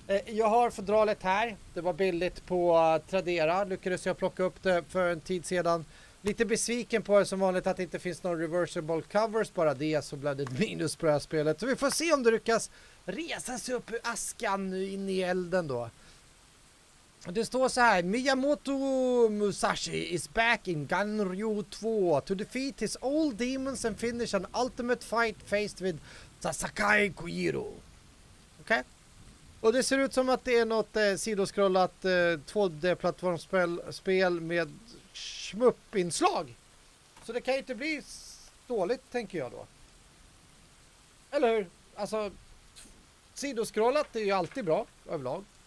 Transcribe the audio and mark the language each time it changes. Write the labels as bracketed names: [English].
[Swedish] Jag har fodralet här. Det var billigt på Tradera. Lyckades jag plocka upp det för en tid sedan. Lite besviken på det som vanligt att det inte finns någon [English] reversible covers. [Swedish] Bara det, så blev det minus på det här spelet. Så vi får se om det lyckas resa sig upp ur askan nu in i elden då. Det står så här: [English] Miyamoto Musashi is back in Ganryu 2 to defeat his old demons and finish an ultimate fight faced with Sasakai Kojiro. [Swedish] Okej. Och det ser ut som att det är något sidoskrollat 2D-plattformsspel med shmup-inslag. Så det kan ju inte bli dåligt, tänker jag då. Eller hur? Alltså, sidoskrollat är ju alltid bra överlag.